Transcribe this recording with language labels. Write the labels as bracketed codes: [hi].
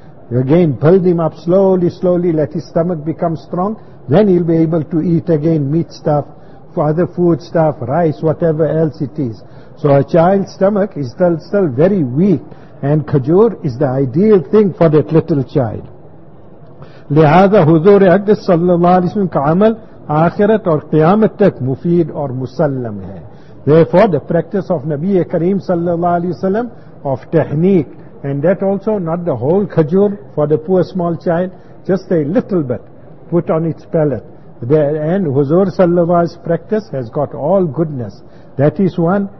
[en] Again, build him up slowly, let his stomach become strong, then he'll be able to eat again meat stuff. other food stuff, rice, whatever else it is. So a child's stomach is still very weak, and khajur is the ideal thing for that little child. [ur] لہذا حضور اقدس صلی اللہ علیہ وسلم کا عمل آخرت اور قیامت تک مفید اور مسلم ہے. [en] Therefore the practice of Nabi Kareem صلی اللہ علیہ وسلم of tahneek, and that also not the whole khajur for the poor small child, just a little bit put on its palate. And Huzur Sallallahu's practice has got all goodness. That is one.